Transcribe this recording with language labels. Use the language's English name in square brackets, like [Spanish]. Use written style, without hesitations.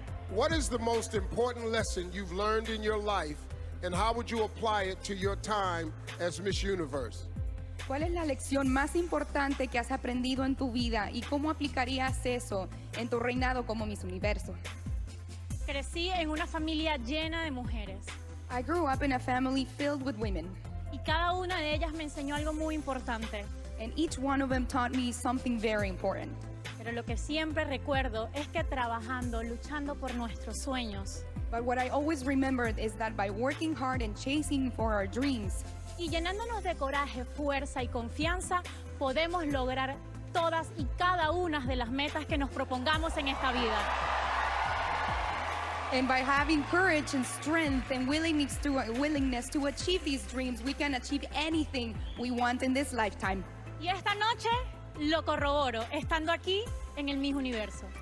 [English] What is the most important lesson you've learned in your life, and how would you apply it to your time as Miss Universe? [Spanish] ¿Cuál es la lección más importante que has aprendido en tu vida, y cómo aplicarías eso en tu reinado como Miss Universo? Crecí en una familia llena de mujeres. [English] I grew up in a family filled with women. [Spanish] Y cada una de ellas me enseñó algo muy importante. [English] And each one of them taught me something very important. [Spanish] Pero lo que siempre recuerdo es que trabajando, luchando por nuestros sueños. [English] But what I always remembered is that by working hard and chasing for our dreams. [Spanish] Y llenándonos de coraje, fuerza y confianza, podemos lograr todas y cada una de las metas que nos propongamos en esta vida. [English] And by having courage and strength and willingness to achieve these dreams, we can achieve anything we want in this lifetime. [Spanish] Y esta noche lo corroboro estando aquí en el Miss Universo.